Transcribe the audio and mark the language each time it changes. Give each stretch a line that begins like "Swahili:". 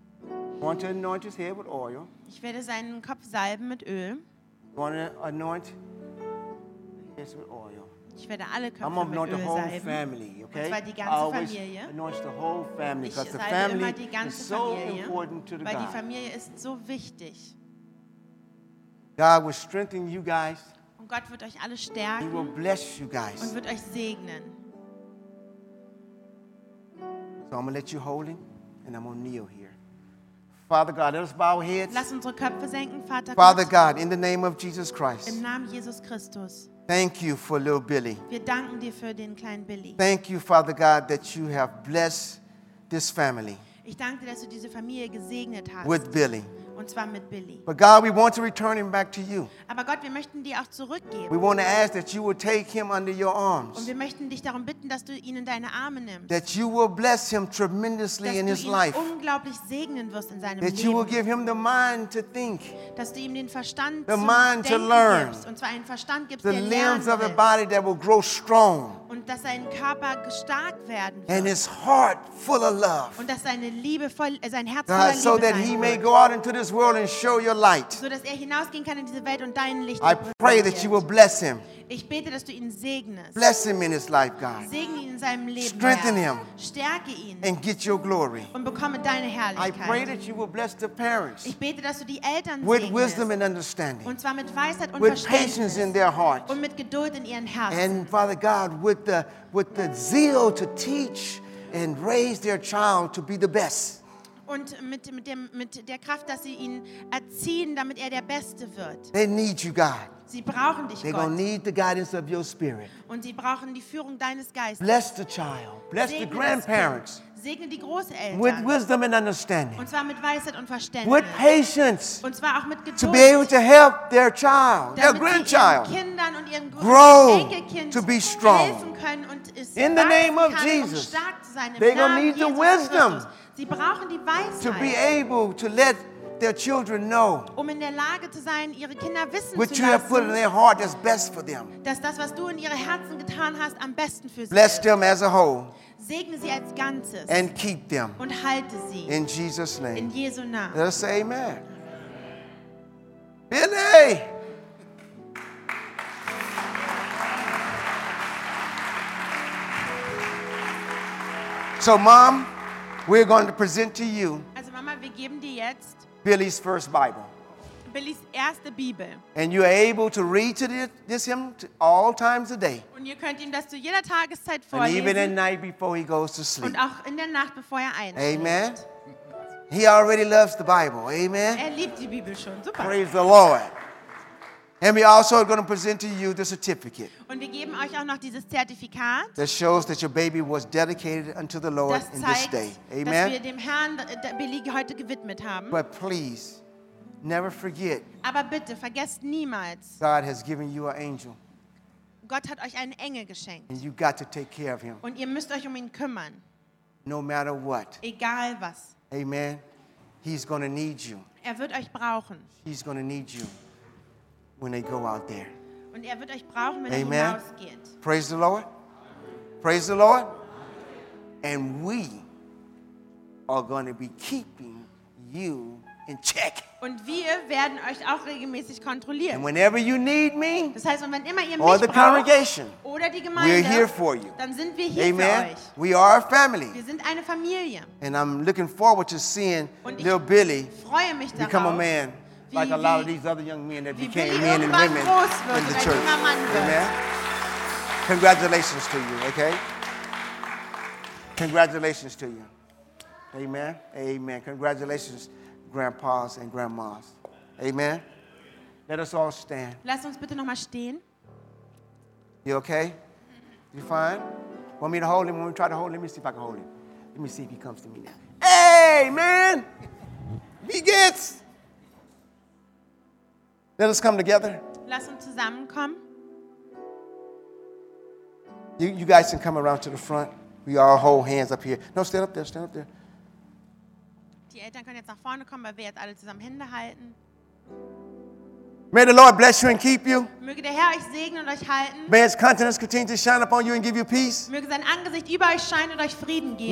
English: I want to anoint his head with oil.
German: Ich werde seinen Kopf salben mit Öl.
English: I want to anoint his with oil.
German: Ich werde alle Köpfe
English: I'm gonna anoint
German: mit
English: the
German: Öl
English: whole
German: salben.
English: Family, okay?
German: Und zwar die ganze
English: I always anoint the whole family, because the family
German: die ganze
English: is so
German: Familie,
English: important to the
German: weil
English: God.
German: Die Familie ist so wichtig.
English: God will strengthen you guys.
German: Und Gott wird euch alle stärken.
English: He will bless you guys.
German: Und wird euch segnen.
English: So I'm going to let you hold him, and I'm going to kneel here. Father God, let us bow our heads.
German: Lass unsere Köpfe senken, Vater Gott.
English: Father God, in the name of Jesus Christ.
German: Im Namen Jesus Christus.
English: Thank you for little Billy.
German: Wir danken dir für den kleinen Billy.
English: Thank you, Father God, that you have blessed this family.
German: Ich danke dir, dass du diese Familie gesegnet hast.
English: With Billy.
German: Und zwar mit Billy.
English: But God, we want to return him back to you.
German: Aber Gott, wir möchten dir auch zurückgeben.
English: We want to ask that you will take him under your arms.
German: Und wir möchten dich darum bitten, dass du ihn in deine Arme nimmst.
English: That you will bless him tremendously
German: dass
English: in his life.
German: Dass du ihn unglaublich segnen wirst in seinem
English: that
German: Leben.
English: That you will give him the mind to think.
German: Dass du ihm den Verstand
English: the mind to learn.
German: Gibst. Und zwar einen Verstand gibst,
English: the
German: der
English: limbs of a body that will grow strong.
German: Und dass sein Körper stark werden wird.
English: And his heart full of love.
German: Und dass seine Liebe voll, sein Herz
English: God,
German: voller Liebe
English: so that he
German: wird.
English: May go out into this world and show your light.
German: So dass er hinausgehen kann in diese Welt und dein Licht.
English: I pray that you will bless him.
German: Ich bete, dass du ihn segnest.
English: Bless him in his life, God.
German: Segne ihn in seinem Leben.
English: Strengthen him.
German: Stärke ihn.
English: And get your glory.
German: Und bekomme deine Herrlichkeit.
English: I pray that you will bless the parents.
German: Ich bete, dass du die Eltern segnest.
English: With wisdom and understanding.
German: Und zwar mit Weisheit und
English: with patience in their heart.
German: Und mit Geduld in ihren Herzen.
English: And Father God, with the zeal to teach and raise their child to be the best.
German: Und mit der Kraft, dass sie ihn erziehen, damit er der Beste wird.
English: They need you, God.
German: Sie brauchen dich,
English: They're
German: Gott.
English: They're going to need the guidance of your spirit.
German: Und sie brauchen die Führung deines Geistes.
English: Bless the child. Bless
German: Segne
English: the grandparents.
German: Segne die Großeltern.
English: With wisdom and understanding.
German: Und zwar mit Weisheit und Verständnis.
English: With patience.
German: Und zwar auch mit Geduld.
English: To be able to help their child,
German: damit
English: their grandchild.
German: Damit sie ihren Kindern und ihren
English: grow
German: Enkelkind
English: to be strong.
German: Helfen können und es
English: in the name of Jesus.
German: Um stark zu sein.
English: They're going to need Jesus the wisdom.
German: Christus. Sie brauchen die Weisheit.
English: To be able to let their children know.
German: Um in der Lage zu sein, ihre Kinder wissen zu lassen.
English: What you have put in their heart is best for them.
German: Dass das, was du in ihre Herzen getan hast, am besten für sie.
English: Bless them as a whole.
German: Segne sie als Ganzes.
English: And keep them.
German: Und halte sie.
English: In Jesus' name.
German: In Jesu Namen.
English: Let us say amen. Billy! So, Mom, we're going to present to you
German: also Mama, wir geben dir jetzt
English: Billy's first Bible.
German: Billy's erste Bibel.
English: And you're able to read to this him all times a day.
German: Und ihr könnt ihm das zu jeder Tageszeit vorlesen.
English: And even at night before he goes to sleep.
German: Und auch in der Nacht, bevor er einschläft.
English: Amen. He already loves the Bible. Amen.
German: Er liebt die Bibel schon. Super.
English: Praise the Lord. And we also are going to present to you the certificate.
German: Und wir geben euch auch noch dieses Zertifikat.
English: That shows that your baby was dedicated unto the Lord
German: zeigt,
English: in this day. Amen.
German: Dass wir dem Herrn Billy heute gewidmet haben.
English: But please, never forget.
German: Aber bitte vergesst niemals.
English: God has given you an angel.
German: Gott hat euch einen Engel geschenkt.
English: And you got to take care of him.
German: Und ihr müsst euch um ihn kümmern.
English: No matter what.
German: Egal was.
English: Amen. He's going to need you.
German: Er wird euch brauchen.
English: He's going to need you. When they go out there.
German: Und er wird euch brauchen, wenn
English: Amen.
German: Er hinausgeht.
English: Praise the Lord. Praise the Lord. And we are going to be keeping you in check.
German: Und wir werden euch auch regelmäßig kontrollieren.
English: And whenever you need me,
German: das heißt, wenn immer ihr
English: or
German: mich
English: the congregation,
German: braucht, oder die Gemeinde,
English: we're here for you.
German: Dann sind wir hier
English: Amen.
German: Für euch.
English: We are a family.
German: Wir sind eine Familie.
English: And I'm looking forward to seeing little Billy
German: freue mich darauf,
English: become a man. Like a lot of these other young men that became men and women in the church. Amen. Congratulations to you, okay? Congratulations to you. Amen. Amen. Congratulations, grandpas and grandmas. Amen. Let us all stand.
German: Lass uns bitte noch mal stehen.
English: You okay? You fine? Want me to hold him? Want me to try to hold him? Let me see if I can hold him. Let me see if he comes to me now. Hey, man! He gets. Let us come together.
German: Lass uns zusammenkommen.
English: You guys can come around to the front. We all hold hands up here. No, stand up there. Stand up there.
German: Die Eltern können jetzt nach vorne kommen, weil wir jetzt alle zusammen Hände halten.
English: May the Lord bless you and keep you.
German: Möge der Herr euch segnen und euch halten.
English: May his countenance continue to shine upon you and give you peace.
German: Möge sein Angesicht über euch scheinen und euch Frieden geben.